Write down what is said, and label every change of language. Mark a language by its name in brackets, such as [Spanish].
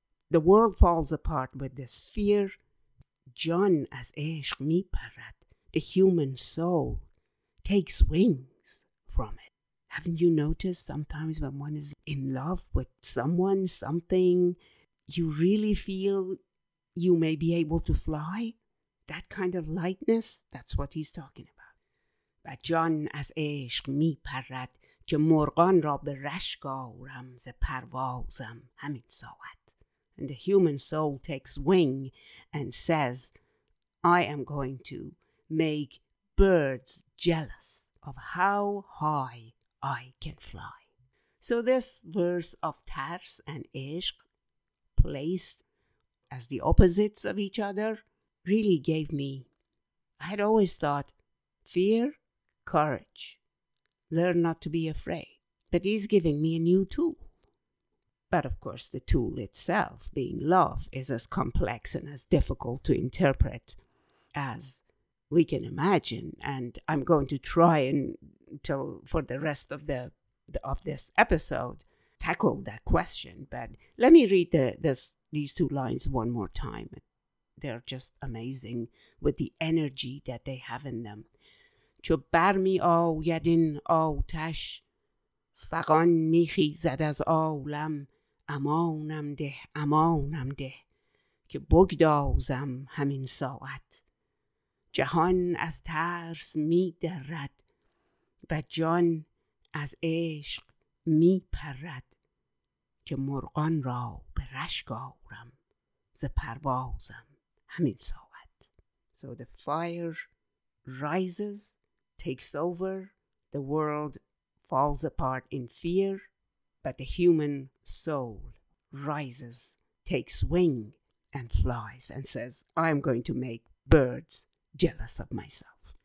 [English] The world falls apart with this fear. [Persian] Jan as ishq mi parat, [English] the human soul takes wings from it. Haven't you noticed sometimes when one is in love with someone, something, you really feel you may be able to fly? That kind of lightness, that's what he's talking about. [Persian] و جان از عشق می پرد که مرغان را به رشک آورم ز پروازم همین ساعت. [English] And the human soul takes wing and says, I am going to make birds jealous of how high I can fly. So this verse of ترس and عشق placed as the opposites of each other, really gave me, I had always thought, fear, courage, learn not to be afraid. But he's giving me a new tool. But of course, the tool itself, being love, is as complex and as difficult to interpret as we can imagine. And I'm going to try until for the rest of this episode, tackle that question. But let me read these two lines one more time. They're just amazing with the energy that they have in them. [Persian] چو برمی آید این آتش فغان میخیزد از عالم امانم ده امانم ده که بگدازم همین ساعت جهان از ترس می درد و جان از عشق می پرد که مرغان را به رشک آورم ز پروازم همین ساعت. [English] So the fire rises, takes over, the world falls apart in fear, but the human soul rises, takes wing and flies and says, I'm going to make birds jealous of myself.